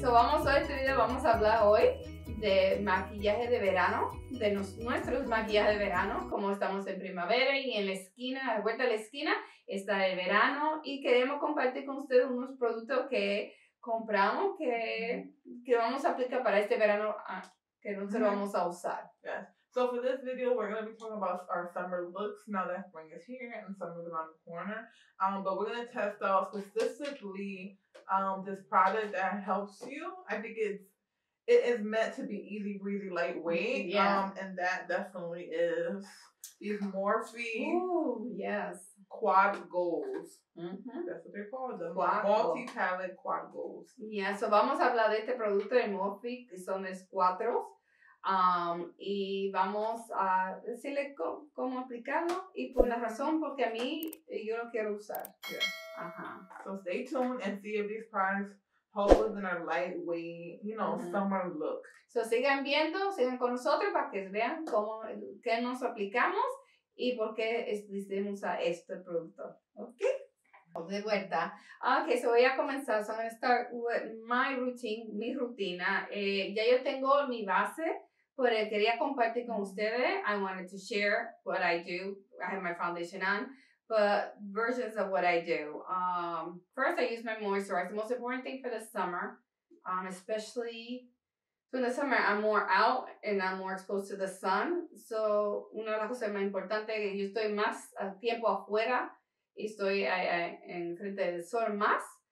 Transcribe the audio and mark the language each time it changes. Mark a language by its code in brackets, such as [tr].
[es] So vamos a este video, vamos a hablar hoy de maquillaje de verano, de nuestros maquillajes de verano, como estamos en primavera y en la esquina, a la vuelta de la esquina, está el verano y queremos compartir con ustedes unos productos que compramos que vamos a aplicar para este verano que nosotros vamos a usar. [en] Yes. So for this video, we're going to be talking about our summer looks now that spring is here and summer's around the corner. But we're going to test out specifically this product that helps you. I think it is meant to be easy, breezy, lightweight. Yeah. And that definitely is these Morphe. Ooh, yes. Quad Goals. Mm-hmm. That's what they call them. Multi-palette Quad Goals. [es] Yeah, so vamos a hablar de este producto de Morphe, que son los cuatro. Y vamos a decirle cómo aplicarlo y por la razón, porque a mí yo lo quiero usar. [en] Yeah. Uh-huh. So stay tuned and see if these products help us in our lightweight, you know, summer look. [es] So sigan viendo, sigan con nosotros para que vean cómo, qué nos aplicamos y por qué decidimos a este producto. [en] Okay. [es] De vuelta. Okay, so voy a comenzar. [en] So I'm going to start with my routine, [es] mi rutina. Ya yo tengo mi base, pero quería compartir con ustedes. [en] I wanted to share what I do. I have my foundation on. But versions of what I do. First, I use my moisturizer. The most important thing for the summer, especially in the summer, I'm more out and I'm more exposed to the sun. [es] So, una de las cosas más importantes es que yo estoy más tiempo afuera y estoy en frente del sol más.